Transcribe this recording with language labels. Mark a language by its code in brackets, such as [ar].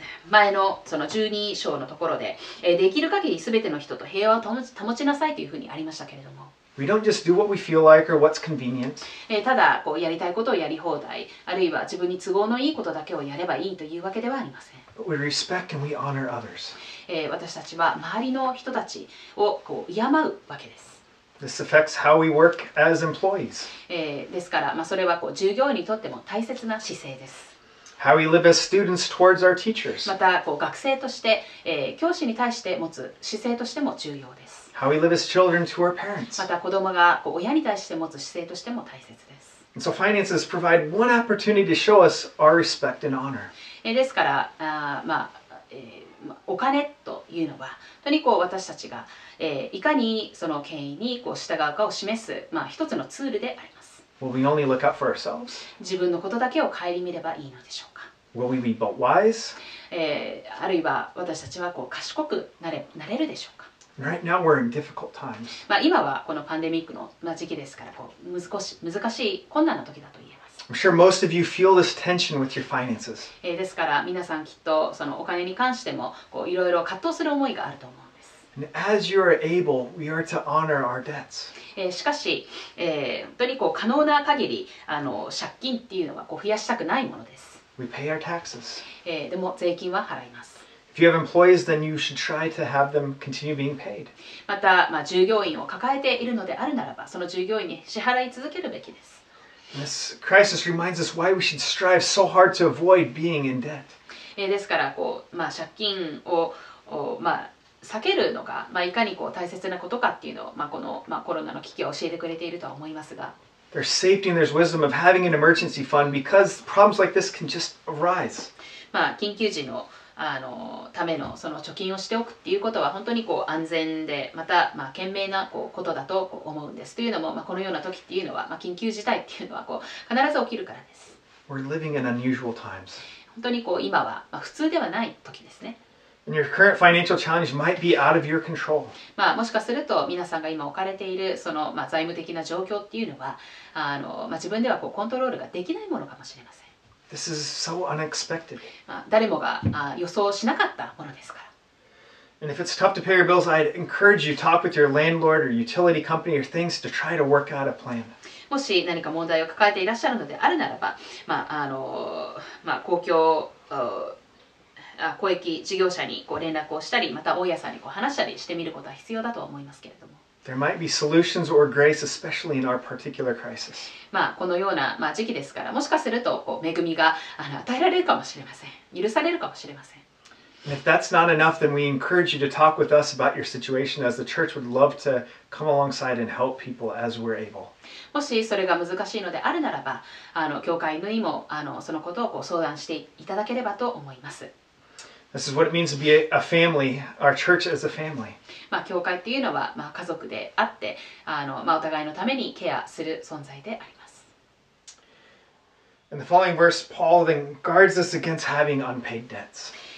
[ja] 前のその12章のところで、できる限り全ての人と平和を保ちなさいというふうにありましたけれども。 [en] We don't just do what we feel like or what's convenient. [ja] ただこうやりたいことをやり放題、あるいは自分に都合のいいことだけをやればいいというわけではありません。 [en] But we respect and we honor others. [ja] 私たちは周りの人たちをこう敬うわけです。 [en] This affects how we work as employees. [ja] ですから、まあ、それはこう従業員にとっても大切な姿勢です。 [en] How we live as students towards our teachers. [ja] またこう学生として、教師に対して持つ姿勢としても重要です。 [en] How we live as children to our parents. [ja] また子供がこう親に対して持つ姿勢としても大切です。 [en] And so finances provide one opportunity to show us our respect and honor. [ja] ですから、お金というのは、とにかく私たちが、いかにその権威にこう従うかを示す、まあ、一つのツールであります。 [en] Will we only look out for ourselves? [ja] 自分のことだけを顧みればいいのでしょうか。 [en] Will we be but wise? [ja] あるいは私たちはこう賢くなれるでしょうか。 [en] Right now we're in difficult times. [ja] まあ今はこのパンデミックの時期ですから、こう難しい困難な時だと言えます。 [en] I'm sure most of you feel this tension with your finances. [ja] ですから皆さんきっとそのお金に関してもこういろいろ葛藤する思いがあると思うんです。 [en] And as you are able, we are to honor our debts. [ja] しかし、本当にこう可能な限り借金っていうのはこう増やしたくないものです。 [en] We pay our taxes. [ja] でも税金は払います。 [en] If you have employees, then you should try to have them continue being paid. [ja] また、まあ、従業員を抱えているのであるならば、その従業員に支払い続けるべきです。 [en] This crisis reminds us why we should strive so hard to avoid being in debt. [ja] ですから、こう、まあ、借金を、まあ、避けるのが、まあ、いかにこう大切なことかっていうのを、まあ、この、まあ、コロナの危機を教えてくれているとは思いますが。 [en] There's safety and there's wisdom of having an emergency fund because problems like this can just arise. [ja] まあ、緊急時のためのその貯金をしておくっていうことは本当にこう安全でまたまあ賢明なこうことだと思うんですというのもまあこのような時っていうのはまあ緊急事態っていうのはこう必ず起きるからです。 [en] We're living in unusual times. [ja] 本当にこう今はまあ普通ではない時ですね。 [en] And your current financial challenge might be out of your control. [ja] まあもしかすると皆さんが今置かれているそのまあ財務的な状況っていうのはまあ自分ではこうコントロールができないものかもしれません。 [en] This is so unexpected. [ja] 誰もが予想しなかったものですから。 [en] And if it's tough to pay your bills, I'd encourage you to talk with your landlord or utility company or things to try to work out a plan. [ja] もし何か問題を抱えていらっしゃるのであるならば、まあまあ、公共公益事業者にこう連絡をしたり、また大家さんにこう話したりしてみることは必要だと思いますけれども。 [en] There might be solutions or grace, especially in our particular crisis. [ja] まあこのような、まあ、時期ですから、もしかするとこう恵みが与えられるかもしれません。許されるかもしれません。 [en] And if that's not enough, then we encourage you to talk with us about your situation, as the church would love to come alongside and help people as we're able. [ja] もしそれが難しいのであるならば、教会にもそのことをこう相談していただければと思います。 [en] This is what it means to be a family, our church as a family. [ja] まあ教会っていうのは、まあ、家族であって、まあ、お互いのためにケアする存在であります。 [en] In the following verse, Paul then guards us against having unpaid debts.